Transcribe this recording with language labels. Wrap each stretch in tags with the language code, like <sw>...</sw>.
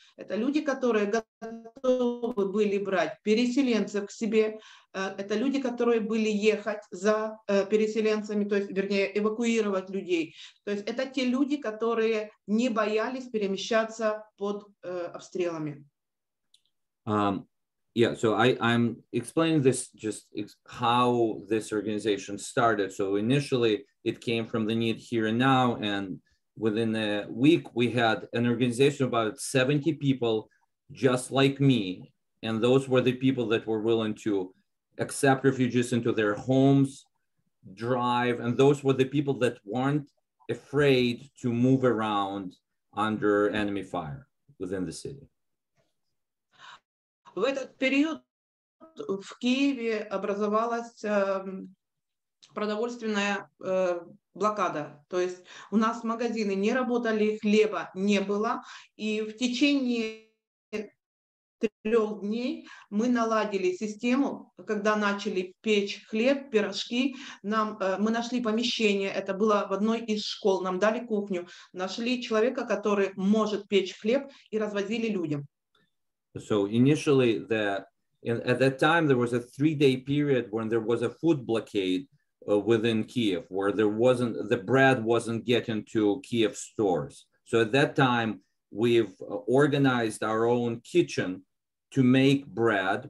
<ru>Это люди, которые готовы были брать переселенцев к себе. Это люди, которые были ехать за переселенцами, то есть, вернее, эвакуировать людей. То есть это те люди, которые не боялись перемещаться под обстрелами.</ru> <en>So I'm explaining this, just how this organization started. So initially it came from the need here and now, and within a week, we had an organization of about 70 people, just like me. And those were the people that were willing to accept refugees into their homes, drive, and those were the people that weren't afraid to move around under enemy fire within the city.</en> <ru>В этот период в Киеве образовалась продовольственная блокада. То есть у нас магазины не работали, хлеба не было, и в течение трех дней мы наладили систему, когда начали печь хлеб, пирожки, нам, мы нашли помещение, это было в одной из школ, нам дали кухню, нашли человека, который может печь хлеб, и развозили людям.</ru> <en>So initially, at that time, there was a three-day period when there was a food blockade within Kyiv, where there wasn't, the bread wasn't getting to Kyiv stores. So at that time, we've organized our own kitchen to make bread.</en>